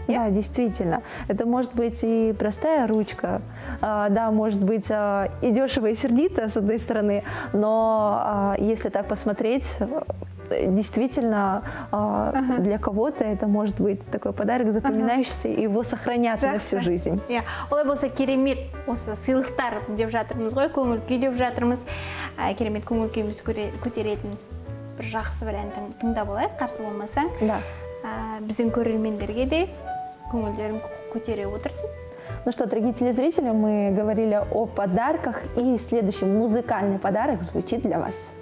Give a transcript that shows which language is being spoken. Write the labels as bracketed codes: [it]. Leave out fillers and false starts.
[ru] Да, yeah, действительно. Это может быть и простая ручка. Да, может быть и дешево, и сердито с одной стороны, но если так посмотреть, действительно, для кого-то это может быть такой подарок запоминающийся, и его сохранят на всю жизнь. [kk] Олай болса керемет осы сыйлықтар деп жатырмыз ғой, көңілкі деп жатырмыз. Керемет көңілкіміз көтеретін бір жақсы бір ән тыңдап алайық, қарсы болмасаң. [ru] Да. [kk] Біздің көрермендерге де көңілдерін көтере отырсын. [ru] Ну что, дорогие телезрители, мы говорили о подарках, и следующий музыкальный подарок звучит для вас.